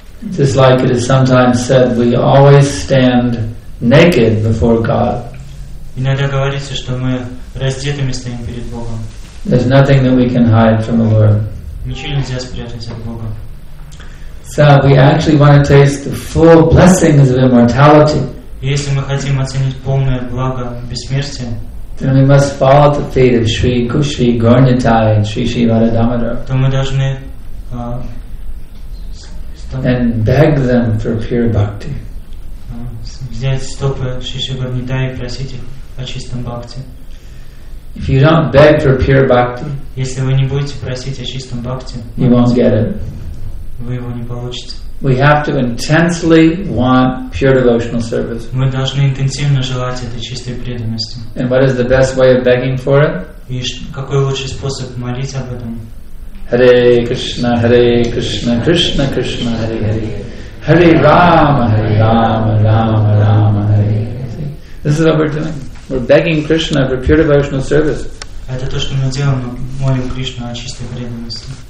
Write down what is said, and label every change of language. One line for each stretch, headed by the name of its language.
English: Just like it is sometimes said, we always stand naked before God.
Russian: Иногда говорится, что мы раздетыми стоим перед Богом.
English: There's nothing that we can hide from the Lord.
Russian: Ничего нельзя спрятать от Бога.
English: So we actually want to taste the full blessings of immortality.
Russian: Если мы хотим оценить полное благо бессмертия,
English: then we must fall at the feet of Sri Kushi Gornitai and Sri Sri Varadamadar.
Russian: То мы должны
English: And beg them for pure bhakti.
Russian: Взять стопы Шиши Гурнита и просить их о чистом бхакти.
English: If you don't beg for pure bhakti,
Russian: если вы не будете просить о чистом бхакти,
English: you won't get it.
Russian: Вы его не получите.
English: We have to intensely want pure devotional service.
Russian: Мы должны интенсивно желать этой чистой преданности.
English: And what is the best way of begging for it?
Russian: И какой лучший способ молить об этом?
Sanskrit: Hare Krishna, Krishna Krishna, Hare Hare. Hare Rama, Hare Rama, Rama Rama, Hare.
English: See? This is what we're doing. We're begging Krishna for pure devotional service.
Russian: Это то, что мы делаем, мы молим Кришну о чистой преданности.